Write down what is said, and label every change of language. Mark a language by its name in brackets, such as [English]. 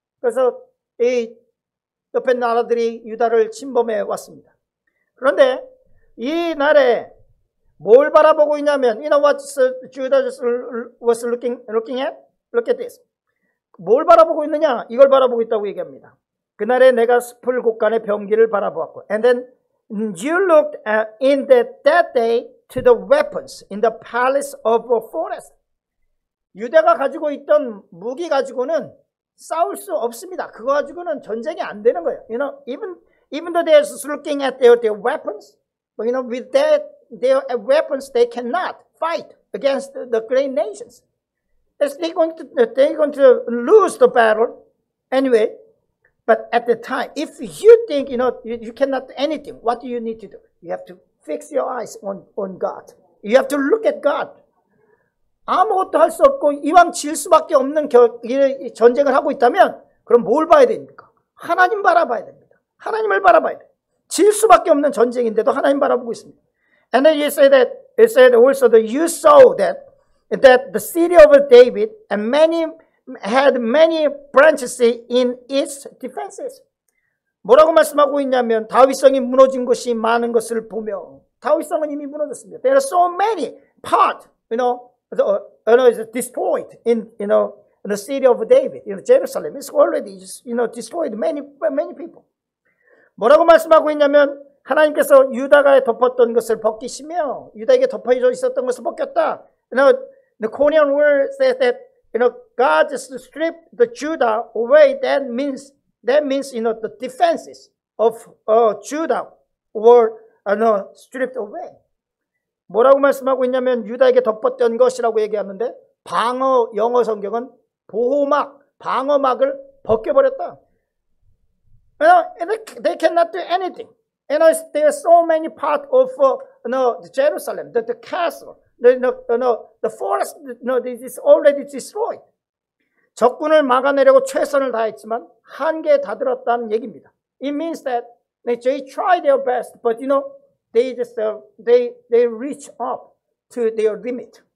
[Korean] 그래서 이 옆에 나라들이 유다를 침범해 왔습니다. 그런데 이 날에 뭘 바라보고 있냐면, [English] you know what Judah was looking at? Look at this. [Korean] 뭘 바라보고 있느냐? 이걸 바라보고 있다고 얘기합니다. 그날에 내가 숲을 곳간의 병기를 바라보았고, [English] and then you looked in that day to the weapons in the palace of a forest. [Korean] 유대가 가지고 있던 무기 가지고는 싸울 수 없습니다. 그거 가지고는 전쟁이 안 되는 거예요. [English] You know, even though they're looking at their weapons, but you know, with that their weapons, they cannot fight against the great nations. They're going to lose the battle anyway. But at the time, if you think, you know, you cannot do anything, what do you need to do? You have to fix your eyes on God. You have to look at God. [Korean] 아무것도 할 수 없고 이왕 질 수밖에 없는 전쟁을 하고 있다면 그럼 뭘 봐야 됩니까? 하나님 바라봐야 됩니다. 하나님을 바라봐야 돼. 질 수밖에 없는 전쟁인데도 하나님 바라보고 있습니다. [English] And then you said also that you saw that the city of David and had many branches in its defenses. [Korean] 뭐라고 말씀하고 있냐면 다윗성이 무너진 것이 많은 것을 보며 다윗성은 이미 무너졌습니다. [English] There are so many part, you know, is destroyed in, you know, in the city of David, you know, Jerusalem. It's already, you know, destroyed many people. [Korean] 뭐라고 말씀하고 있냐면 하나님께서 유다가 덮었던 것을 벗기시며 유다에게 덮여져 있었던 것을 벗겼다. [English] You know, the Korean word says that, you know, God just stripped the Judah away. That means, you know, the defenses of Judah were, you know, stripped away. [Korean] 뭐라고 말씀하고 있냐면 유다에게 덮었던 것이라고 얘기하는데 방어, 영어 성경은 보호막, 방어막을 벗겨버렸다. [English] You know, they cannot do anything. And you know, there are so many parts of Jerusalem, the castle, the forest, you know, this is already destroyed. [Korean] 적군을 막아내려고 최선을 다했지만 한계에 다다랐다는 얘기입니다. [English] It means that they try their best, but you know, they just they reach up to their limit.